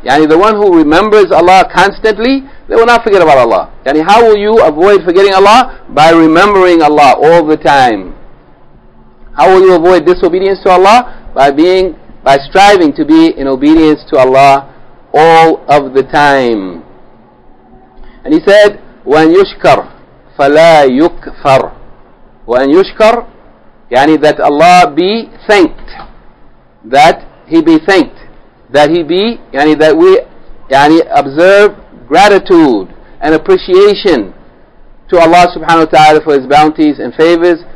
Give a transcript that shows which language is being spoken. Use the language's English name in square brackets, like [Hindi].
[English] Yani the one who remembers Allah constantly, they will not forget about Allah. Yani how will you avoid forgetting Allah? By remembering Allah all the time. How will you avoid disobedience to Allah? By striving to be in obedience to Allah all of the time. And he said, [Arabic] وَأَنْ يُشْكَرْ فَلَا يُكْفَرْ. وَأَنْ يُشْكَرْ, [English] yani that Allah be thanked. That He be thanked. That He be, yani that we, yani observe gratitude and appreciation to Allah subhanahu wa ta'ala for His bounties and favors.